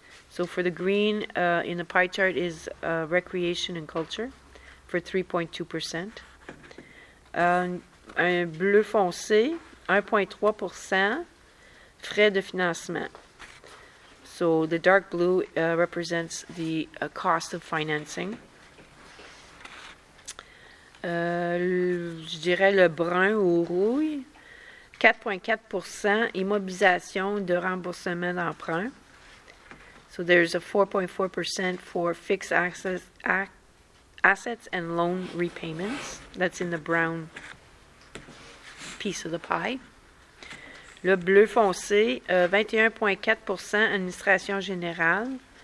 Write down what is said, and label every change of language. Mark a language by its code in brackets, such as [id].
[en] So for the green in the pie chart is recreation and culture for 3.2%. [fr] Un bleu foncé, 1.3% frais de financement. [en] So the dark blue represents the cost of financing. [fr] Je dirais le brun ou rouille, 4.4% immobilisation de remboursement d'emprunt. [en] So there's a 4.4% for fixed assets and loan repayments. That's in the brown piece of the pie. [fr] Le bleu foncé, 21.4% administration générale.